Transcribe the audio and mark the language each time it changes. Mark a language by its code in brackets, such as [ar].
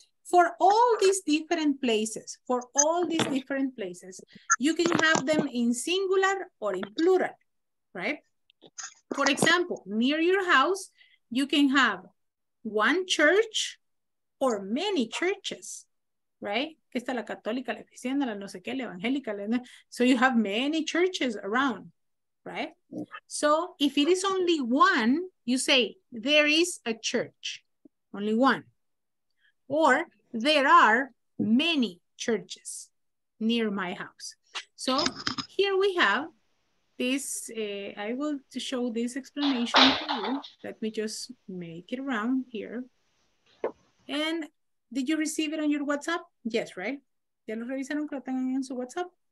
[en] For all these different places, you can have them in singular or in plural, right? For example, near your house, you can have one church or many churches, right? [es] Esta la católica, la cristiana, la no sé qué, la evangélica. [en] So you have many churches around, right? So if it is only one, you say, there is a church, only one. Or there are many churches near my house. So here we have this, I will show this explanation to you. Let me just make it around here. And did you receive it on your WhatsApp? Yes, right? [es] ¿Ya lo revisaron que lo tengan en su WhatsApp?